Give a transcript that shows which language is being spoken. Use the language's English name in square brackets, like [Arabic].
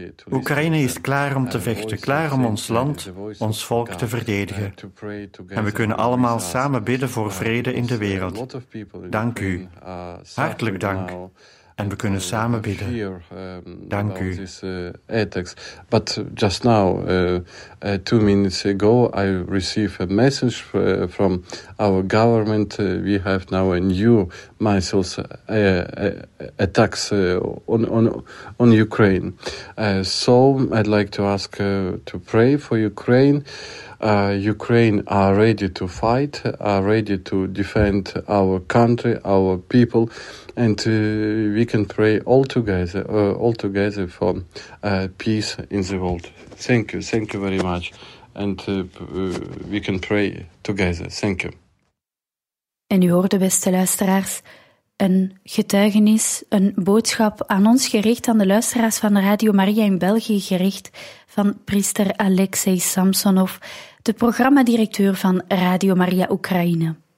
[Dutch] Oekraïne is klaar om te vechten, klaar om ons land, ons volk te verdedigen. En we kunnen allemaal samen bidden voor vrede in de wereld. Dank u. Hartelijk dank. En we kunnen samen bidden. Dank u. [English] But just now, 2 minutes ago, I received a message from our government. We have now a new missiles attacks on Ukraine. So I'd like to ask to pray for Ukraine. Ukraine are ready to fight, are ready to defend our country, our people, and we can pray all together for peace in the world. Thank you very much, and we can pray together. Thank you. [Dutch] En u hoorde, beste luisteraars, een getuigenis, een boodschap aan ons gericht, aan de luisteraars van Radio Maria in België gericht, van priester Alexei Samsonov, de programmadirecteur van Radio Maria Oekraïne.